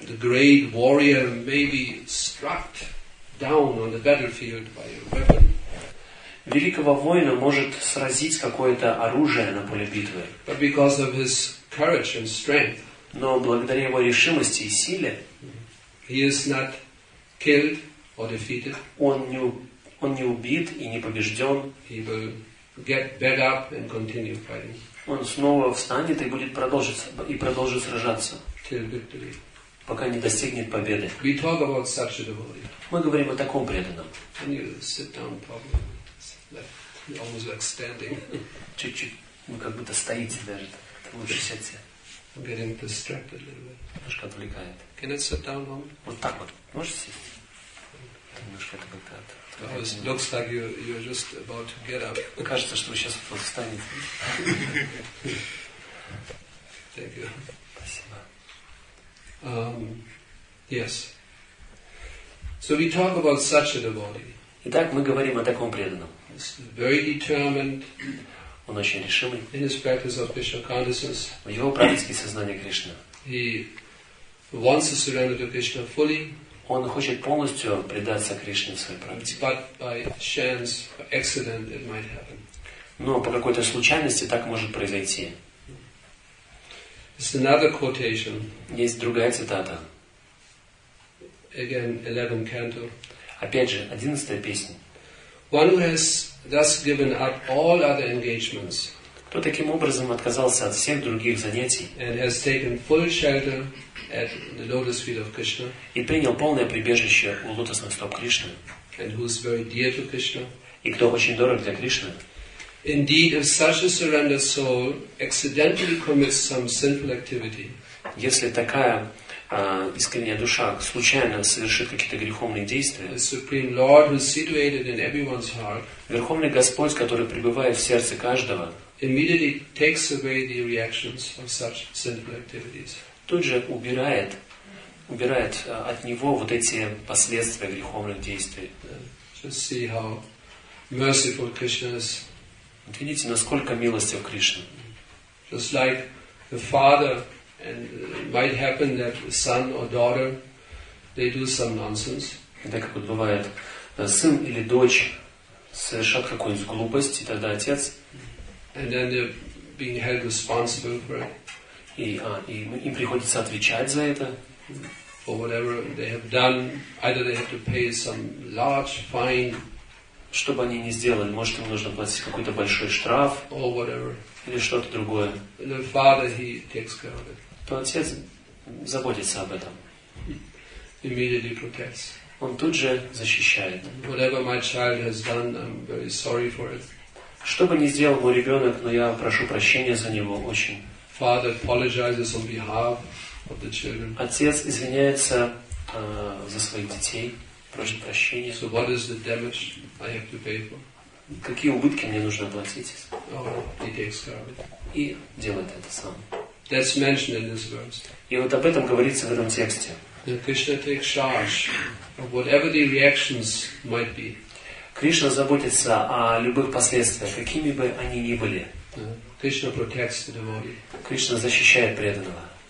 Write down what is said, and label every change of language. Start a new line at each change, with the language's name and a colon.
English: The great warrior may be struck down on the battlefield by a weapon.
Russian: Великого воина может сразить какое-то оружие на поле битвы.
English: But because of his courage and strength.
Russian: Но благодаря его решимости и силе.
English: He is not killed or defeated.
Russian: Он не убит и не побежден.
English: He will get back up and continue fighting.
Russian: Он снова встанет и будет продолжить сражаться.
English: Till victory.
Russian: Пока не достигнет победы.
English: We talk about such a devotee.
Russian: Мы говорим о таком преданном.
English: Can you sit down, probably? You're almost like standing.
Russian: Чуть-чуть. Вы как будто стоите даже. Лучше сядьте.
English: I'm getting distracted a little bit.
Russian: Немножко отвлекает.
English: Can I sit down, mom?
Russian: Вот так вот. Можете сесть? Немножко это как-то от...
English: Looks like you're just about to get up.
Russian: Кажется, что вы сейчас вот встанете.
English: Thank you.
Russian: Спасибо.
English: Yes. So we talk about such a devotee.
Russian: Итак, мы говорим о таком преданном.
English: Very determined.
Russian: Он очень решимый.
English: In his practice of Krishna consciousness.
Russian: В его практике сознания Кришны.
English: He wants to surrender to Krishna fully.
Russian: Он хочет полностью предаться Кришне в своей практике.
English: But by chance, by accident, it might happen.
Russian: Но по какой-то случайности так может произойти.
English: It's another quotation.
Russian: Есть другая цитата.
English: Again, 11th canto.
Russian: Опять же, 11-я песня.
English: One who has thus given up all other engagements.
Russian: Кто таким образом отказался от всех других занятий?
English: And has taken full shelter at the lotus feet of Krishna.
Russian: И принял полное прибежище у лотосных стоп Кришны.
English: And who is very dear to Krishna.
Russian: И кто очень дорог для Кришны?
English: Indeed, if such a surrendered soul accidentally commits some sinful activity,
Russian: если такая искренняя душа случайно совершит какие-то греховные действия,
English: the Supreme Lord, who is situated in everyone's heart,
Russian: Верховный Господь, который пребывает в сердце каждого,
English: immediately takes away the reactions of such sinful activities.
Russian: Тут же убирает от него вот эти последствия греховных действий.
English: Just see how merciful Krishna is.
Russian: Вот видите, насколько милостив Кришна.
English: Just like the father, and it might happen that son or daughter, they do some nonsense.
Russian: И так как вот бывает, сын или дочь совершат какую-нибудь глупость, и тогда отец.
English: And then they're being held responsible for it.
Russian: И им приходится отвечать за это.
English: For whatever they have done, either they have to pay some large fine.
Russian: Что бы они ни сделали, может, им нужно платить какой-то большой штраф или что-то другое.
English: The father, he takes care of it.
Russian: То отец заботится об этом.
English: Immediately protects.
Russian: Он тут же защищает.
English: Whatever my child has done, I'm very sorry for it.
Russian: Что бы ни сделал мой ребенок, но я прошу прощения за него очень.
English: Father apologizes on behalf of the children.
Russian: Отец извиняется за своих детей. Прошу прощения.
English: So what is the damage I have to pay for?
Russian: Какие убытки мне нужно оплатить?
English: Oh, he takes care of it.
Russian: И делает это сам.
English: That's mentioned in this verse.
Russian: И вот об этом говорится в этом тексте.
English: That Krishna takes charge of whatever the reactions might be.
Russian: Кришна заботится о любых последствиях, какими бы они ни были.
English: Krishna protects the devotee.
Russian: Кришна защищает преданного.